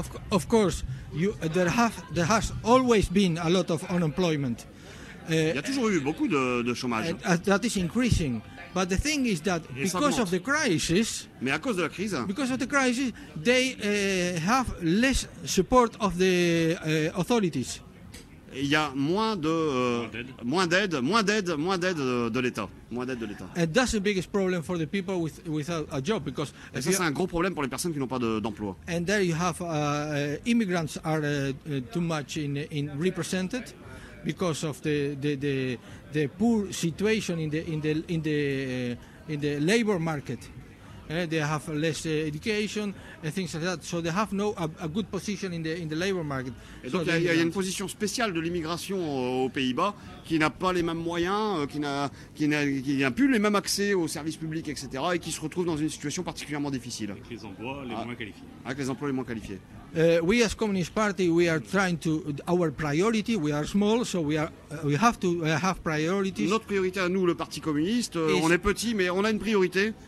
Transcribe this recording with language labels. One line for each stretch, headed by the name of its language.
English: Of course, there has always been a lot of unemployment.
French: Il y a toujours eu beaucoup de chômage.
English: That is increasing. But the thing is that because of the crisis.
French: Mais à cause de la crise.
English: Because of the crisis, they have less support of the authorities.
French: Il y a moins d'aide de l'État.
English: And that's the biggest problem for the people without a job, because.
French: Et ça, c'est un gros problème pour les personnes qui n'ont pas d'emploi.
English: And there you have immigrants are too much in represented, because of the poor situation in the labor market. They have less education and things like that, so they have no a good position in the labor market.
French: Et donc il y a une position spéciale de l'immigration aux Pays-Bas qui n'a pas les mêmes moyens, qui n'a plus les mêmes accès aux services publics, etc., et qui se retrouve dans une situation particulièrement difficile. Avec les emplois les moins qualifiés. Avec les emplois les moins qualifiés.
English: We as Communist Party, we are trying to our priority. We are small, so we have priorities.
French: Notre priorité à nous, le Parti communiste, on est petit, mais on a une priorité.